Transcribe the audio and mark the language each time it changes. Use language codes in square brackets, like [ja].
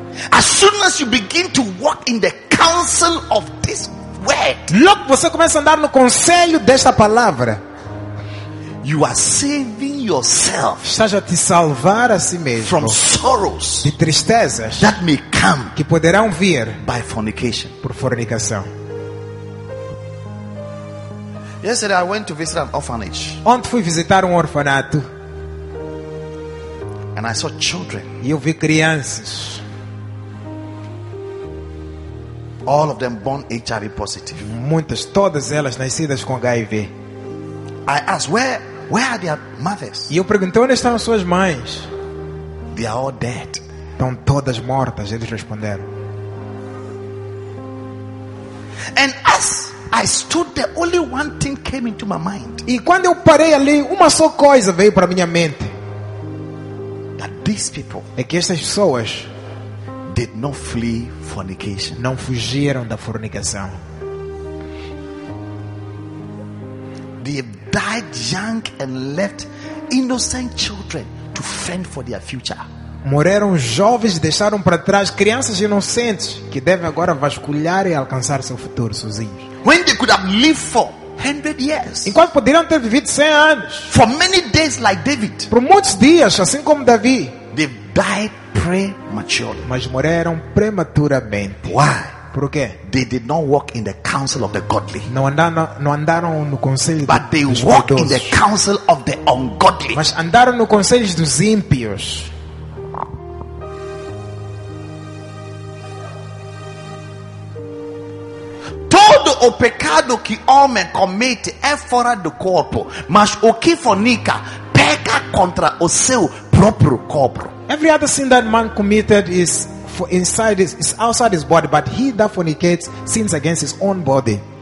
[en] As soon as you begin to walk in the counsel of this word, [pt] logo você começa a andar no conselho desta palavra, [en] you are saving yourself, [pt] estás a te salvar a si mesmo, [en] from sorrows, [pt] de tristezas, [en] that may come, [pt] que poderão vir, [en] by fornication, [pt] por fornicação. [en] Yesterday I went to visit an orphanage. [pt] Ontem fui visitar orfanato. [en] And I saw children. [pt] E eu vi crianças. [en] All of them born HIV positive. [pt] Muitas, todas elas nascidas com HIV. [en] I asked, where are their mothers? [pt] E eu perguntei, onde estão as suas mães? [en] They are all dead. [pt] Estão todas mortas, eles responderam. [en] And as I stood there, only one thing came into my mind. [pt] E quando eu parei ali, uma só coisa veio para minha mente. [en] That these people, [pt] é que estas pessoas, [en] did not flee fornication. [pt] Não fugiram da fornicação. [en] They died young and left innocent children to fend for their future. [pt] Morreram jovens e deixaram para trás crianças inocentes que devem agora vasculhar e alcançar seu futuro sozinhos. [en] When they could have lived for 100 years. [pt] Enquanto poderiam ter vivido 100 anos. [en] For many days like David. [pt] Por muitos dias, assim como Davi. [en] They died prematurely. [pt] Mas morreram prematuramente. [en] Why? [pt] Por quê? [en] They did not walk in the counsel of the godly. [pt] Não andaram no conselho [en] but they [pt] dos [en] walk [pt] dos. [en] In the counsel of the ungodly. [pt] Mas andaram no conselho dos ímpios. Todo o pecado que homem comete é fora do corpo, mas o que fornica peca contra o seu próprio corpo. [en] Every other sin that man committed is for inside is outside his body, but he that fornicates sins against his own body.